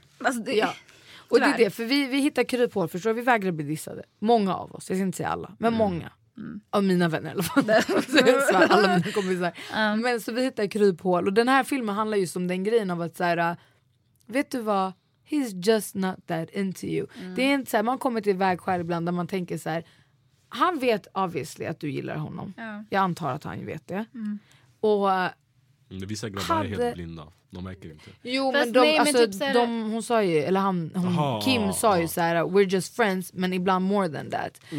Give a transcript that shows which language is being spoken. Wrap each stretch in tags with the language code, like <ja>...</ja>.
<sv>Alltså, det, ja. Och det är det, för vi hittar kryphål, förstår du? Vi vägrar bli dissade. Många av oss, jag ska inte säga alla, men många. Av mina vänner i alla fall. Så här, alla mina kompisar. Men så vi hittar kryphål. Och den här filmen handlar just om den grejen av att så här, vet du vad?</sv> <en>He's just not that into you.</en> <sv>Det är inte så här, man kommer till väg själv ibland där man tänker så här, han vet obviously att du gillar honom. Ja. Jag antar att han vet det. Och vissa grabbar hade... är helt blinda. De märker inte. Jo, fast men, de, nej, alltså, men typ de, hon sa ju, eller han, hon, Kim sa ju så här,</sv> <en>we're just friends,</en> <sv>men ibland</sv> <en>more than that.</en>